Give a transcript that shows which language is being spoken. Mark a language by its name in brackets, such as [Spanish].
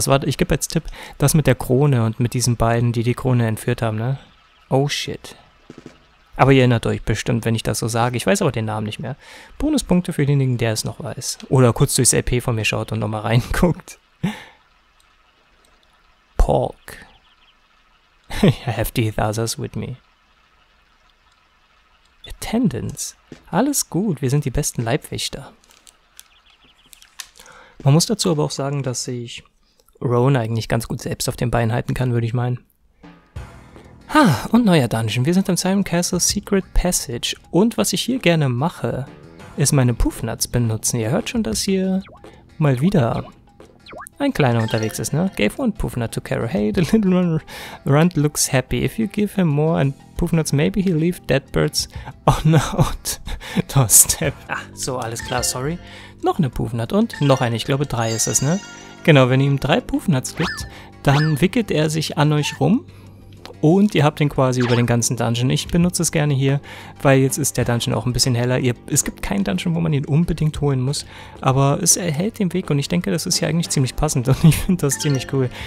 [German] Das war, ich gebe jetzt Tipp, das mit der Krone und mit diesen beiden, die die Krone entführt haben, ne? [English] Oh shit. [German] Aber ihr erinnert euch bestimmt, wenn ich das so sage. Ich weiß aber den Namen nicht mehr. Bonuspunkte für denjenigen, der es noch weiß. Oder kurz durchs LP von mir schaut und nochmal reinguckt. [English] Hawk. I have the others with me. Attendance. [German] Alles gut, wir sind die besten Leibwächter. Man muss dazu aber auch sagen, dass ich Roan eigentlich ganz gut selbst auf den Beinen halten kann, würde ich meinen. Ha, und neuer Dungeon. Wir sind im Simon Castle Secret Passage. Und was ich hier gerne mache, ist meine Puffnuts benutzen. Ihr hört schon, dass hier mal wieder ein Kleiner unterwegs ist, ne? [English] Gave one Puffnut to Carol. Hey, the little runt looks happy. If you give him more and Puffnuts, maybe he'll leave dead birds on out doorstep. [German] Ach, so, alles klar, sorry. Noch eine Puffnut und noch eine. Ich glaube, drei ist es, ne? Genau, wenn ihr ihm drei Puffnuts gibt, dann wickelt er sich an euch rum. Und ihr habt ihn quasi über den ganzen Dungeon. Ich benutze es gerne hier, weil jetzt ist der Dungeon auch ein bisschen heller. Es gibt keinen Dungeon, wo man ihn unbedingt holen muss, aber es erhält den Weg und ich denke, das ist hier eigentlich ziemlich passend und ich finde das ziemlich cool.